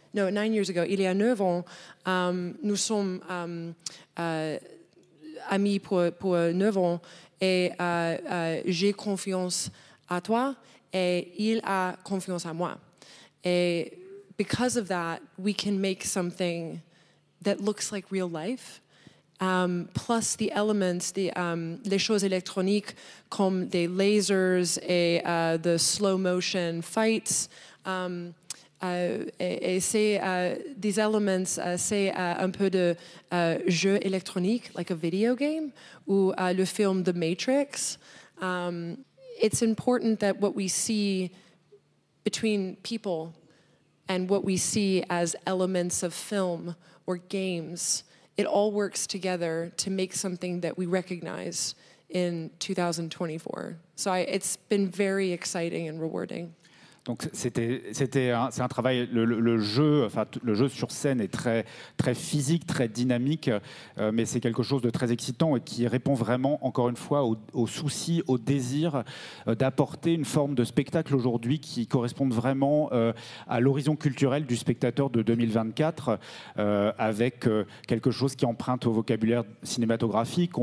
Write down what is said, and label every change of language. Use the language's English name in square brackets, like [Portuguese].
[English] No, 9 years ago, [French] il y a 9 ans, nous sommes amis pour 9 ans et j'ai confiance à toi et il a confiance à moi. [English] Et because of that, we can make something that looks like real life. Plus the elements, [French] les choses électroniques comme des lasers et [English] the slow motion fights. These elements, [French] un peu de jeu électronique, [English] like a video game, [French] ou le film The Matrix. [English] It's important that what we see between people and what we see as elements of film or games, it all works together to make something that we recognize in 2024. So it's been very exciting and rewarding. [French] Donc c'est un travail, le jeu sur scène est très très physique, très dynamique, mais c'est quelque chose de très excitant et qui répond vraiment encore une fois au souci, au désir d'apporter une forme de spectacle aujourd'hui qui corresponde vraiment à l'horizon culturel du spectateur de 2024, avec quelque chose qui emprunte au vocabulaire cinématographique.